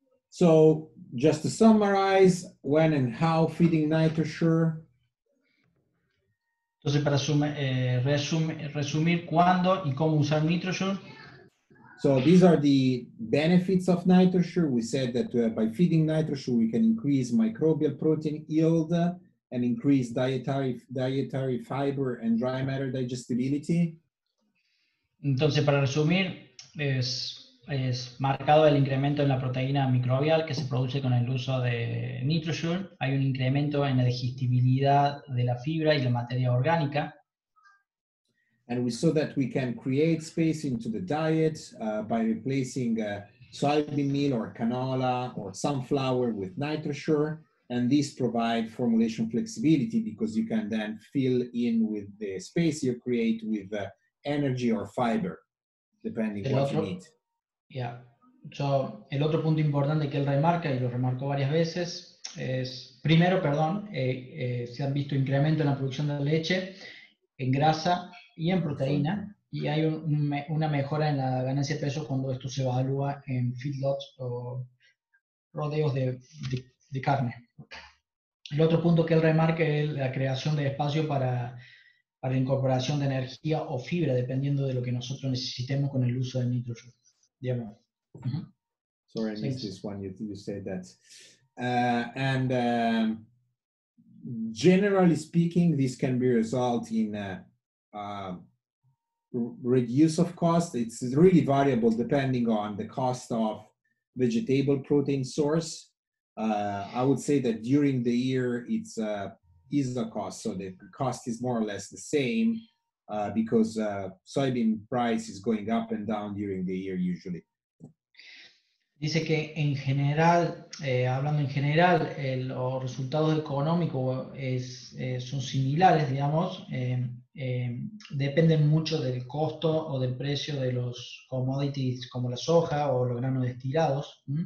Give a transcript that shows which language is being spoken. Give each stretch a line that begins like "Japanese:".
English: So, just to summarize, when and how feeding NitroSure.
Spanish: Entonces, para resumir cuándo y cómo usar NitroSure.
English: So these are the benefits of NitroSure. We said that by feeding NitroSure, we can increase microbial protein yield and increase dietary fiber and dry matter digestibility.
Spanish: Entonces, para resumir, es marcado el incremento en la proteína microbial que se produce con el uso de NitroSure. Hay un incremento en la digestibilidad de la fibra y la materia orgánica.
English: And we saw that we can create space into the diet by replacing soybean meal or canola or sunflower with NitroSure, and this provides formulation flexibility because you can then fill in with the space you create with energy or fiber, depending el what otro, you need. Yeah.
Spanish: So, el otro punto importante que él remarca, y lo remarcó varias veces, es, primero, perdón, se han visto incremento en la producción de leche, en grasa, y en proteína, y hay una mejora en la ganancia de peso cuando esto se evalúa en feedlots o rodeos de carne. El otro punto que él remarca es la creación de espacio para la incorporación de energía o fibra, dependiendo de lo que nosotros necesitemos con el uso del nitrógeno. Uh-huh.
English: Sorry, I missed this one, you said that. And generally speaking, this can be resulted in reduce of cost. It's really variable depending on the cost of vegetable protein source. I would say that during the year it's is the cost, so the cost is more or less the same because soybean price is going up and down during the year usually.
Spanish: Dice que en general, hablando en general, los resultados económicos son similares, digamos. Dependen mucho del costo o del precio de los commodities como la soja o los granos destilados.